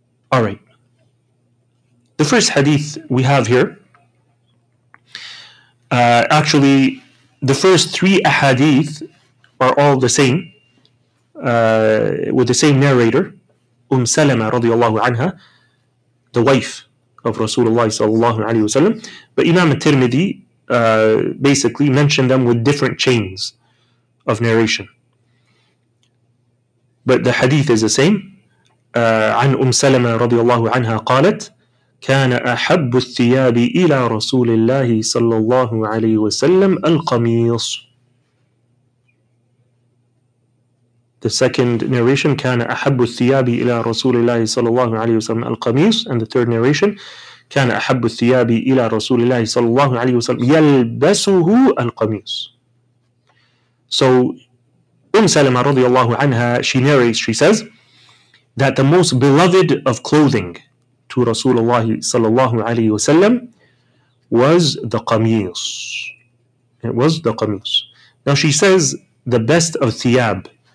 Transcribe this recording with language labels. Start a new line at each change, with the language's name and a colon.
English: All right. The first hadith we have here, actually, the first three ahadith are all the same, with the same narrator, Salama radiallahu anha, the wife of Rasulullah sallallahu alayhi wa sallam. But Imam al-Tirmidhi basically mentioned them with different chains of narration. But the hadith is the same.
Arabic: عن سلمة رضي الله عنها قالت كان أحب الثياب إلى رسول الله صلى الله عليه وسلم القميص.
English: The second narration,
Arabic: كان أحب الثياب إلى رسول الله صلى الله عليه وسلم القميص.
English: And the third narration,
Arabic: كان أحب الثياب إلى رسول الله صلى الله عليه وسلم يلبسه القميص.
English: So
Arabic: سلمة رضي الله عنها,
English: she narrates, she says that the most beloved of clothing to Rasulullah sallallahu alayhi wa sallam was the qamis. It was the qamis. Now she says the best of thiyab.